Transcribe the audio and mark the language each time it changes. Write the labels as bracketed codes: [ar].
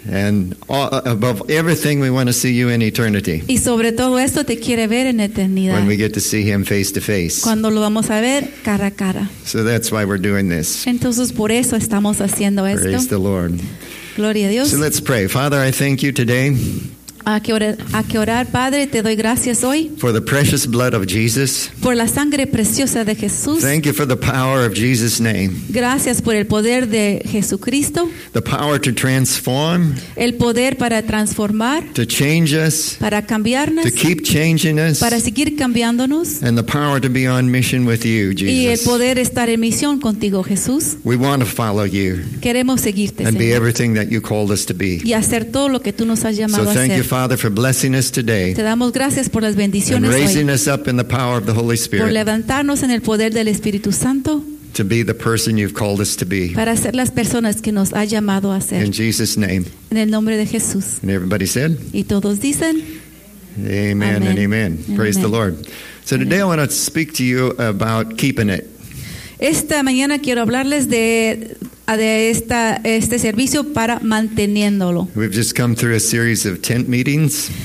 [en] And above everything, we want to see you in eternity. [es] Y sobre todo esto te quiere ver en eternidad. [en] When we get to see him face to face. [es] Cuando lo vamos a ver cara a cara. [en] So that's why we're doing this. [es] Entonces por eso estamos haciendo [en] Praise [es] esto. [en] Praise the Lord. [es] Gloria a Dios. [en] So let's pray. Father, I thank you today. [es] a que orar, Padre, te doy gracias hoy. [en] For the precious blood of Jesus. [es] Por la sangre preciosa de Jesús. [en] Thank you for the power of Jesus' name. [es] Gracias por el poder de Jesucristo. [en] The power to transform. [es] El poder para transformar. [en] To change us. [es] Para cambiarnos. [en] To keep changing us. [es] Para seguir cambiándonos. [en] And the power to be on mission with you, Jesus. [es] Y el poder estar en misión contigo, Jesús. [en] We want to follow you. [es] Queremos seguirte, [en] Señor. And be everything that you called us to be. [es] Y hacer todo lo que tú nos has llamado a hacer. [en] So thank you, Father, for blessing us today. [es] Te damos gracias por las bendiciones hoy. [en] And raising [es] hoy. [en] Us up in the power of the Holy Spirit. [es] Por levantarnos en el poder del Espíritu Santo. [en] To be the person you've called us to be. [es] Para ser las personas que nos ha llamado a ser. [en] In Jesus' name. [es] En el nombre de Jesús. [en] And everybody said. [es] Y todos dicen. [en] Amen and amen. Praise the Lord. So today I want to speak to you about keeping it. [es] Esta mañana quiero hablarles de este servicio para manteniéndolo. [en] We've just come through a series of tent meetings.